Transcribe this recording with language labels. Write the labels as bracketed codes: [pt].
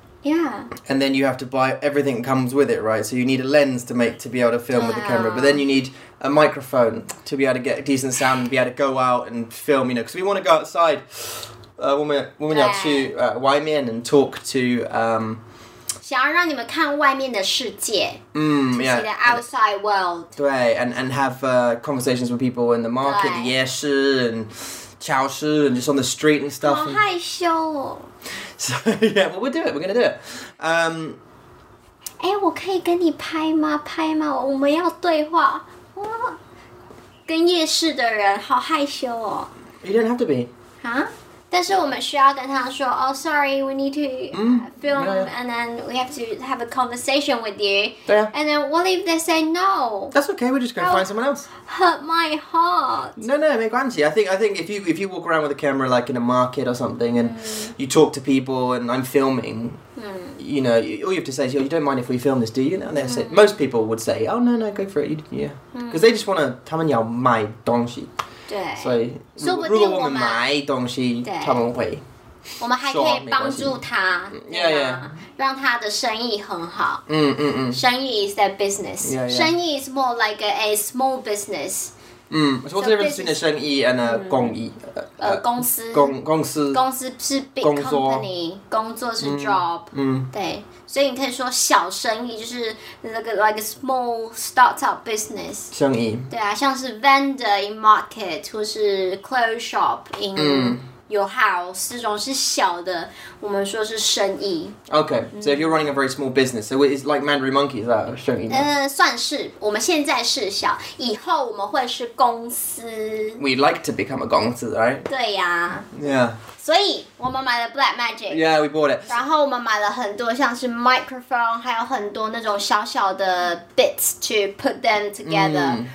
[en] Yeah. And then you have to buy everything that comes with it, right? So you need a lens to be able to film with the camera. But then you need a microphone to be able to get a decent sound and be able to go out and film, you know. Because we want to go outside. When we have to [zh] wai mian [en] and talk to... [zh] 想要让你们看外面的世界，就是 [en] the outside world. 对 ，and have conversations with people in the market, 夜市 and 超市 and just on the street and stuff. [zh] 好害羞哦。 [en] So yeah, well, we're gonna do it. [zh] 我可以跟你拍吗？拍吗？我们要对话。跟夜市的人好害羞哦。 [en] You don't have to be. [zh] 但是我们需要跟他说 [en] ，Oh, sorry, we need to film, and then we have to have a conversation with you. [zh] 对啊。 [en] And then what if they say no? That's okay. We're just going to find someone else. Hurt my heart. [zh] No, 没关系。 [en] I think if you walk around with a camera like in a market or something, and you talk to people, and I'm filming, you know, all you have to say is, "Oh, you don't mind if we film this, do you?" And they say, most people would say, "Oh, no, go for it." Because they just want to, [zh] 他们要买东西。对，所以如果我们买东西，他们会，我们还可以帮助他，让他的生意很好。 [en] 生意 is their business. Yeah, yeah. 生意 is more like a small business. So what's the difference between a 生意 and a 公益？ [zh] 公司。公司。公司是 [en] big company， [zh] 工作是 job。对，所以你可以说小生意就是 [en] like a small startup business [zh] 生意，对啊，像是 [en] vendor in market [zh] 或是 [en] clothes shop in your house [zh] 这种是小的，我们说是生意。 [en] Okay, so if you're running a very small business, so it's like Mandarin Monkey, is that 生意？ [zh] 算是，我们现在是小，以后我们会是公司。 [en] We like to become a 公司 right? [zh] 对呀。 [en] Yeah. [zh] 所以我们买了 Blackmagic. [en] Yeah, we bought it. [zh] 然后我们买了很多像是 microphone, 还有很多那种小小的 [en] bits to put them together.